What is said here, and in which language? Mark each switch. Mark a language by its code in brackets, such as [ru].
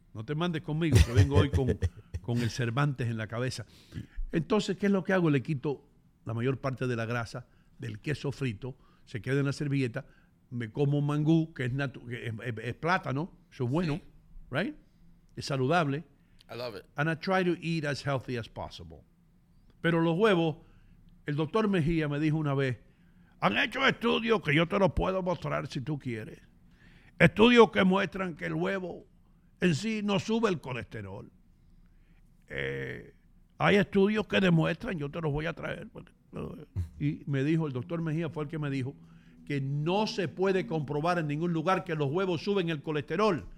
[es] No te mandes conmigo, que vengo hoy con el Cervantes en la cabeza. Entonces, ¿qué es lo que hago? Le quito la mayor parte de la grasa del queso frito, se queda en la servilleta, me como mangú, que es plátano, eso es bueno, sí. Right? Es saludable. [en] I love it. And I try to eat as healthy as possible. [es] Pero los huevos, el doctor Mejía me dijo una vez, han hecho estudios que yo te los puedo mostrar si tú quieres. Estudios que muestran que el huevo en sí no sube el colesterol. Hay estudios que demuestran, yo te los voy a traer. Y me dijo, el doctor Mejía fue el que me dijo, que no se puede comprobar en ningún lugar que los huevos suben el colesterol.